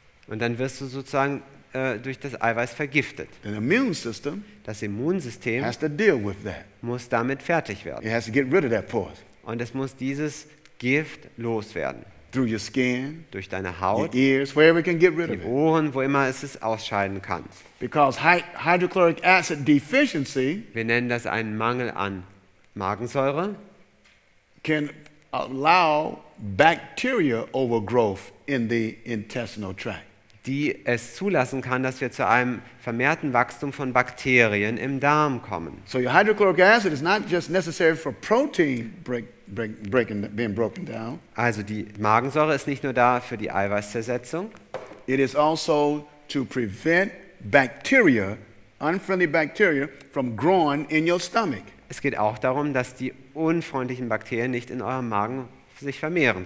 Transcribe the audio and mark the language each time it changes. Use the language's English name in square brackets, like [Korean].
[German] Und dann wirst du sozusagen durch das Eiweiß vergiftet. [English] The immune system, [German] das Immunsystem [English] has to deal with that. [German] Muss damit fertig werden. [English] It has to get rid of that poison. [German] Und es muss dieses Gift loswerden. [English] Through your skin, [German] durch deine Haut, [English] your ears, wherever it can get rid of it. [German] Die Ohren, wo immer es es ausscheiden kann. [English] Because hydrochloric acid deficiency, [German] wir nennen das einen Mangel an Magensäure, [English] can allow bacteria overgrowth in the intestinal tract. [German] Die es zulassen kann, dass wir zu einem vermehrten Wachstum von Bakterien im Darm kommen. [English] So your hydrochloric acid is not just necessary for protein being broken down. [German] Also die Magensäure ist nicht nur da für die Eiweißzersetzung. [English] It is also to prevent bacteria, unfriendly bacteria, from growing in your stomach. [German] Es geht auch darum, dass die unfreundlichen Bakterien nicht in eurem Magen sich vermehren